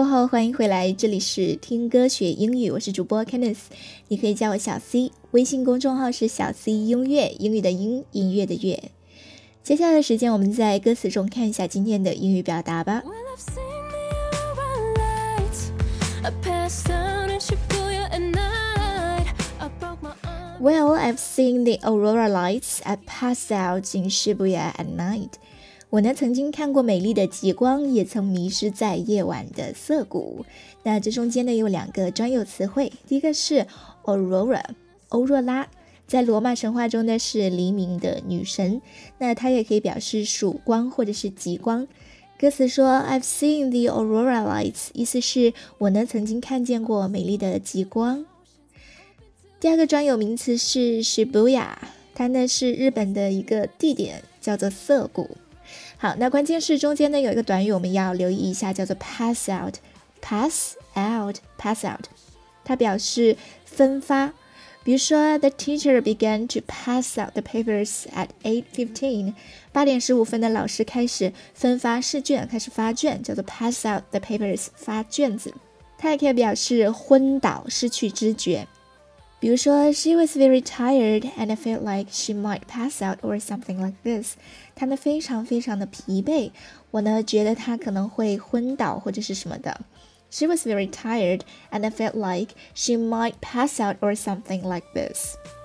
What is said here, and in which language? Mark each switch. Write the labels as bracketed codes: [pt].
[zh] 欢迎回来，这里是听歌学英语，我是主播 Candice， 你可以叫我小 C， 微信公众号是小 C 音乐，英语的英，音乐的乐。接下来的时间我们在歌词中看一下今天的英语表达吧。 [en] Well, I've seen the aurora lights, I passed down in Shibuya at night, I broke my arm. Well, I've seen the aurora lights at pass out in Shibuya at night. [zh] 我呢曾经看过美丽的极光，也曾迷失在夜晚的涩谷。那这中间呢有两个专有词汇，第一个是 aurora， 欧若拉，在罗马神话中呢是黎明的女神，那它也可以表示曙光或者是极光。歌词说 I've seen the aurora lights，意思是我呢曾经看见过美丽的极光。第二个专有名词是 Shibuya， 它呢是日本的一个地点，叫做涩谷。好，那关键是中间呢有一个短语我们要留意一下，叫做 pass out， pass out， pass out， 它表示分发。比如说 The teacher began to pass out the papers at 8:15，八点十五分的老师开始分发试卷，开始发卷，叫做 pass out the papers，发卷子。它也可以表示昏倒，失去知觉。比如说 She was very tired and I felt like she might pass out or something like this，她呢非常非常的疲惫，我呢觉得她可能会昏倒或者是什么的。 [en] She was very tired and I felt like she might pass out or something like this。